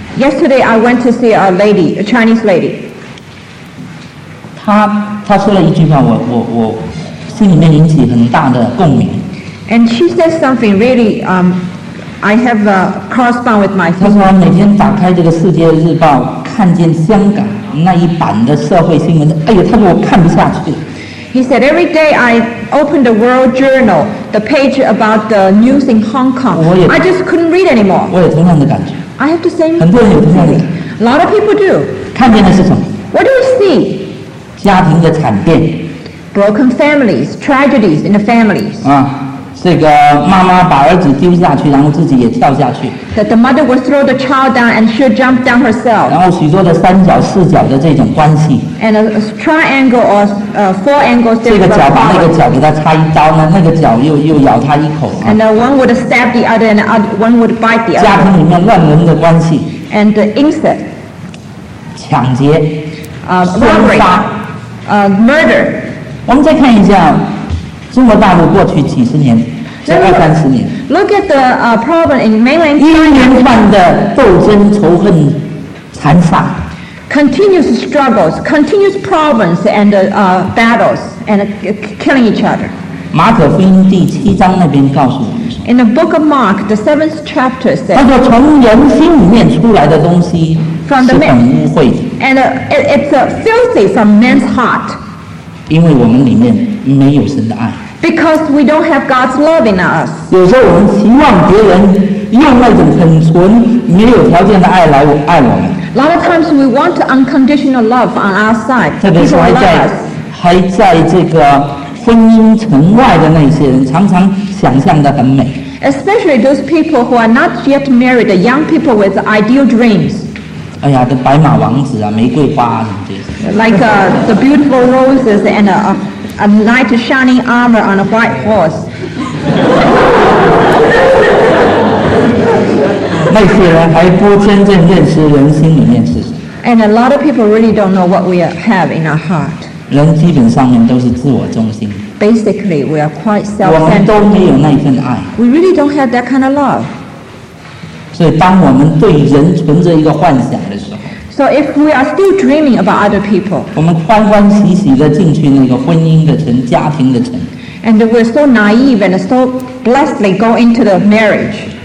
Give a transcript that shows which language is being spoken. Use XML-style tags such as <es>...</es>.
<en>Yesterday I went to see a lady, a Chinese lady.</en> <zh>她说了一句话，我心里面引起很大的共鸣。</zh> <en>And she said something really I have a correspond with my.</en> <zh>他说每天打开这个《世界日报》，看见香港那一版的社会新闻，哎呀，他说我看不下去。</zh> <en>He said every day I open the World Journal, the page about the news in Hong Kong. I just couldn't read anymore.</en> <zh>我有同样的感觉。</zh> <en>I have the same.</en> <zh>很多人有同样的。</zh> <en>A lot of people do.</en> <zh>看见的是什么</zh> <en>？What do you see？</en> <zh>家庭的惨变。</zh> <en>Broken families, tragedies in the families. 啊。</en> <zh>这个妈妈把儿子丢下去，然后自己也跳下去。</zh> <en>That the mother would throw the child down and she jump down herself.</en> <zh>然后许多的三角四角的这种关系。</zh> <en>And a triangle or four angles.</en> <zh>这个脚把那个脚给他插一刀呢，那个脚又咬他一口。</zh> <en>And one would stab the other, and one would bite the other.</en> <zh>家庭里面乱伦的关系。</zh> <en>And the incest.</en> <zh>抢劫。</zh> <en>Robbery. Murder.</en> <zh>我们再看一下。中国大陆过去几十年，这二三十年</zh> <en>，Look at the problem in mainland</en> <zh>China. 一连串的斗争、仇恨、残杀</zh> <en>，continuous struggles, continuous problems and battles and killing each other.</en> <zh>马可福音第七章那边告诉我们</zh> <en>，In the book of Mark, the seventh chapter says.</en> <zh>他说从人心里面出来的东西是很污秽的</zh> <en>，and it's filthy from man's heart.</en> <zh>因为我们里面。没有神的爱</zh> <en>Because we don't have God's love in us.</en> <zh>有时候我们希望别人用那种很纯没有条件的爱来爱我们</zh> <en>A lot of times we want unconditional love on our side.</en> <zh>特别是还在这个婚姻城外的那些人常常想象得很美</zh> <en>Especially those people who are not yet married, the young people with ideal dreams.</en> <zh>哎呀，这白马王子啊，玫瑰花啊，什么这些</zh> <en>Like the beautiful roses and a knight shining armor on a white horse.</en> <zh>那些人还不真正认识人心里面是什么。</zh> <en>And a lot of people really don't know what we have in our heart.</en> <zh>人基本上面都是自我中心。</zh> <en>Basically, we are quite self-centered.</en> <zh>我们都没有那一份爱。</zh> <en>We really don't have that kind of love.</en> <zh>所以当我们对人存着一个幻想的时候。</zh> <en>So if we are still dreaming about other people,</en> <zh>我们欢欢喜喜地进去那个婚姻的城、家庭的城</zh> <en>，and we're so naive and so blessedly go into the marriage.</en>